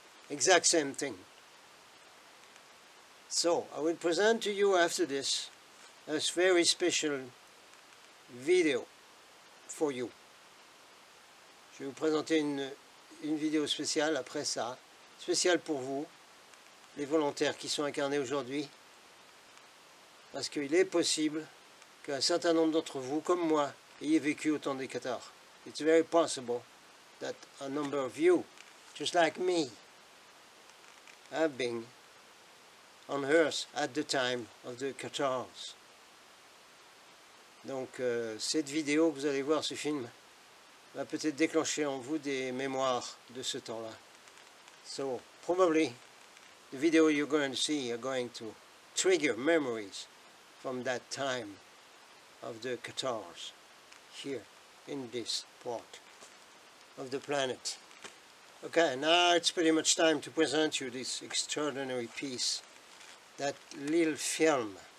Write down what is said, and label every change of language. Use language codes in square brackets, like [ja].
[en] Exact same thing. So, I will present to you after this a very special video for you. [fr] Je vais vous présenter une vidéo spéciale après ça, spéciale pour vous, les volontaires qui sont incarnés aujourd'hui, parce qu'il est possible qu'un certain nombre d'entre vous, comme moi, ayez vécu au temps des Cathars. [en] It's very possible that a number of you, just like me, have been on Earth at the time of the Cathars. [fr] Donc, cette vidéo que vous allez voir, ce film, va peut-être déclencher en vous des mémoires de ce temps-là. [en] So, probably, the video you're going to see are going to trigger memories from that time of the Cathars here in this part of the planet. Okay, now it's pretty much time to present you this extraordinary piece, that little film.